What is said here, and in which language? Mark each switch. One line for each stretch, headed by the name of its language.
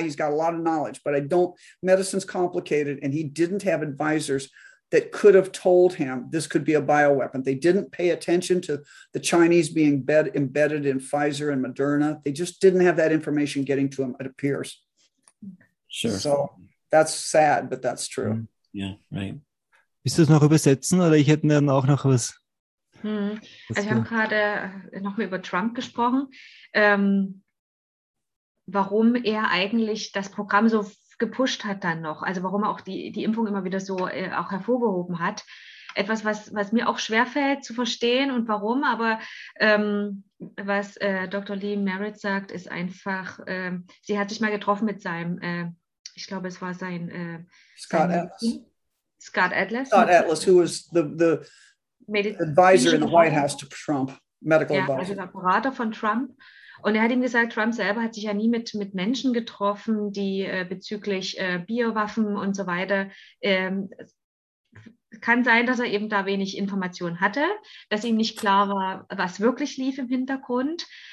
English: He's got a lot of knowledge, but medicine's complicated, and he didn't have advisors that could have told him this could be a bioweapon. They didn't pay attention to the Chinese being embedded in Pfizer and Moderna. They just didn't have that information getting to him, it appears. Sure. So that's sad, but that's true. Yeah, right.
German: Willst du es noch übersetzen, oder ich hätte dann auch noch was? Also wir haben gerade noch mal über Trump gesprochen. Warum er eigentlich das Programm so gepusht hat dann noch, also warum er auch die Impfung immer wieder so auch hervorgehoben hat. Etwas, was mir auch schwerfällt zu verstehen und warum, aber was Dr. Lee Merritt sagt, ist einfach, sie hat sich mal getroffen mit seinem, ich glaube, es war sein...
English: Scott Atlas, who was the advisor in the White House to Trump, medical advisor.
German: Also der Berater von Trump. Und er hat ihm gesagt, Trump selber hat sich ja nie mit Menschen getroffen, die bezüglich Biowaffen und so weiter, kann sein, dass er eben da wenig Informationen hatte, dass ihm nicht klar war, was wirklich lief im Hintergrund.